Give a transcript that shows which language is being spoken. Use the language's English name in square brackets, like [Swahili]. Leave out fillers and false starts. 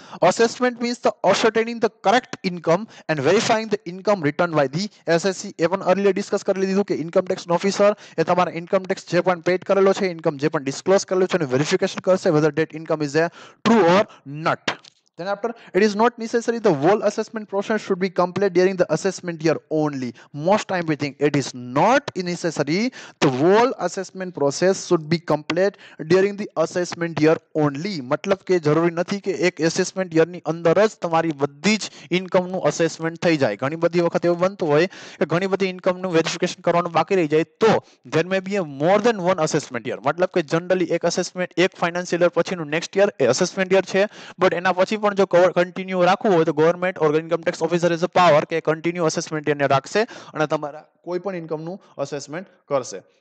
[English] Assessment means the ascertaining the correct income and verifying the income return by the assessee. [Gujarati] એ પણ early discuss કરી લીધું કે income tax officer એ તમારા income tax જે પણ પેડ કરેલો છે, ઇન્કમ જે પણ ડિસ્ક્લોઝ કરેલો છે, એનું વેરિફિકેશન કરશે [English] Whether that income is a true or not. Then after, it is not necessary the whole assessment process should be complete during the assessment year only. Most time we think it is not necessary the whole assessment process should be complete during the assessment year only. [Gujarati] મતલબ કે જરૂરી નથી કે એક assessment year ની અંદર જ તમારી બધી જ income નું assessment થઈ જાય. ઘણી બધી વખત એવું બનતું હોય કે ઘણી બધી income નું verification કરવાનું બાકી રહી જાય તો [English] there may be a more than one assessment year. [Gujarati] મતલબ કે generally એક assessment એક financial year પછીનું next year એ assessment year છે, but એના પછી પણ જો કન્ટિન્યુ રાખવું હોય તો government or income tax officer [English] is a power [Gujarati] કે કન્ટિન્યુ અસેસમેન્ટ એને રાખશે અને તમારા કોઈ પણ ઇન્કમનું અસેસમેન્ટ કરશે.